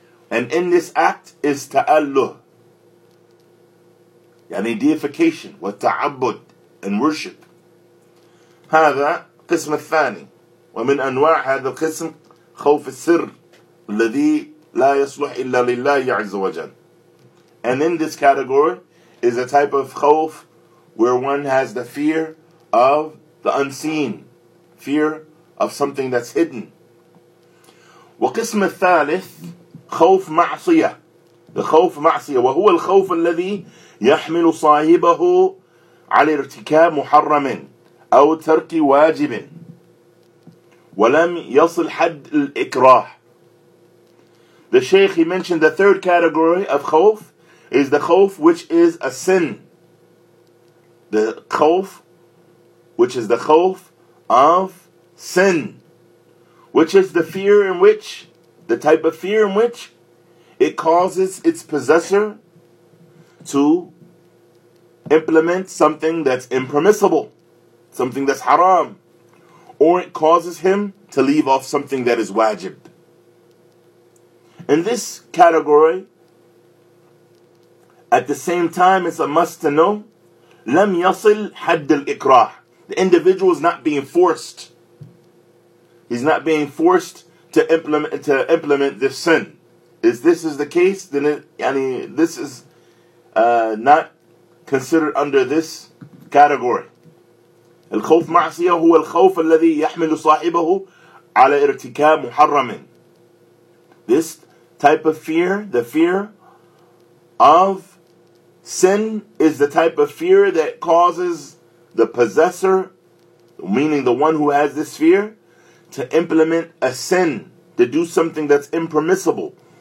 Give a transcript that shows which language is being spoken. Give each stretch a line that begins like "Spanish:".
English: And in this act is ta'alluh.
Arabic: يعني deification والتعبد
English: and worship.
Arabic: هذا قسم الثاني. ومن أنواع هذا القسم خوف السر الذي لا يصلح إلا لله عز وجل.
English: And in this category is a type of خوف where one has the fear of the unseen, fear of something that's hidden.
Arabic: وقسم الثالث خوف معصية. الخوف معصية وهو الخوف الذي يحمل صاحبه على ارتكاب محرم أو ترك واجب ولم يصل حد الإكراه.
English: The Shaykh, he mentioned the third category of khawf is the khawf which is a sin. The khawf, which is the khawf of sin, which is the fear in which, the type of fear in which it causes its possessor to implement something that's impermissible, something that's haram, or it causes him to leave off something that is wajib. In this category, at the same time, it's a must to know,
Arabic: لم يصل حد الإكراه.
English: The individual is not being forced. He's not being forced to implement this sin. If this is the case, then this is not considered under this category.
Arabic: الخوف معصية هو الخوف الذي يحمل صاحبه على ارتكاب محرم.
English: This type of fear, the fear of sin, is the type of fear that causes the possessor, meaning the one who has this fear, to implement a sin, to do something that's impermissible.